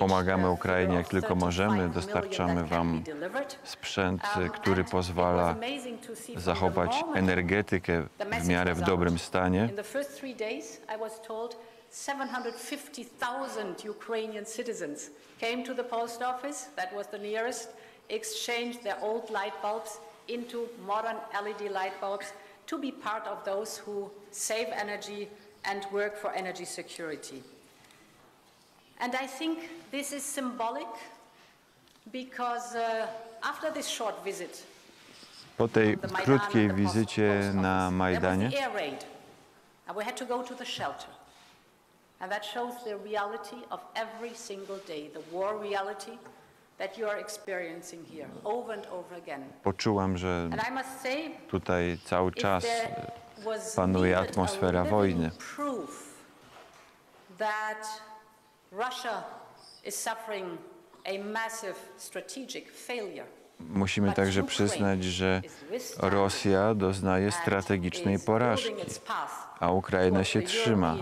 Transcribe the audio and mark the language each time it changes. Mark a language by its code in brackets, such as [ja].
[pl] Pomagamy Ukrainie, jak tylko możemy, dostarczamy wam sprzęt, który pozwala zachować energetykę w miarę w dobrym stanie. [en] In the first 3 days, I was told 750,000 Ukrainian citizens came to the post office, that was the nearest, exchanged their old light bulbs into modern LED light bulbs. To be part of those who save energy and work for energy security. And I think this is symbolic because after this short visit, [pl] po tej krótkiej wizycie na Majdanie, [en] there was an air raid, and we had to go to the shelter. And that shows the reality of every single day, the war reality that you are experiencing here over and over again. [pl] Poczułam, że tutaj cały czas panuje atmosfera wojny. [en] Proof that Russia is suffering a massive strategic failure. [pl] Musimy także przyznać, że Rosja doznaje strategicznej porażki, a Ukraina się trzyma.